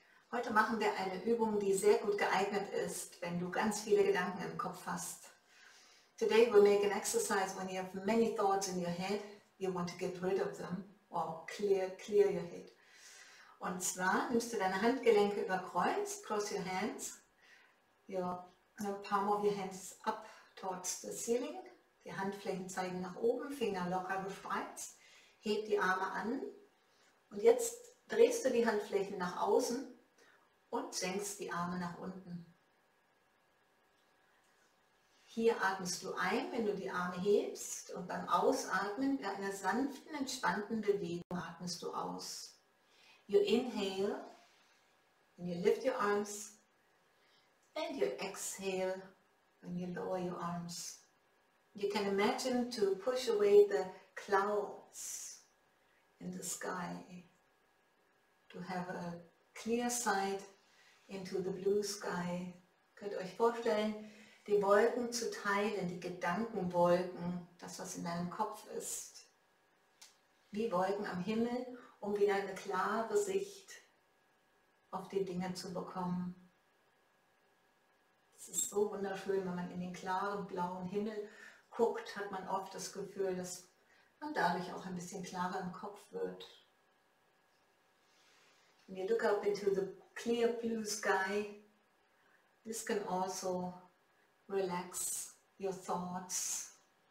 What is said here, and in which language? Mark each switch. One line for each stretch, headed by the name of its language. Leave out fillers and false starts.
German: Heute machen wir eine Übung, die sehr gut geeignet ist, wenn du ganz viele Gedanken im Kopf hast.
English: Today we'll make an exercise when you have many thoughts in your head, you want to get rid of them or clear your head.
German: Und zwar nimmst du deine Handgelenke über Kreuz,
English: cross your hands, your palm of your hands up towards the ceiling,
German: die Handflächen zeigen nach oben, Finger locker gespreizt, heb die Arme an und jetzt drehst du die Handflächen nach außen und senkst die Arme nach unten. Hier atmest du ein, wenn du die Arme hebst und beim Ausatmen mit einer sanften, entspannten Bewegung atmest du aus.
English: You inhale when you lift your arms and you exhale when you lower your arms. You can imagine to push away the clouds in the sky to have a clear sight into the blue sky.
German: Könnt ihr euch vorstellen, die Wolken zu teilen, die Gedankenwolken, das was in deinem Kopf ist, wie Wolken am Himmel, um wieder eine klare Sicht auf die Dinge zu bekommen. Es ist so wunderschön, wenn man in den klaren blauen Himmel guckt, hat man oft das Gefühl, dass man dadurch auch ein bisschen klarer im Kopf wird.
English: When you look up into the clear blue sky, this can also relax your thoughts.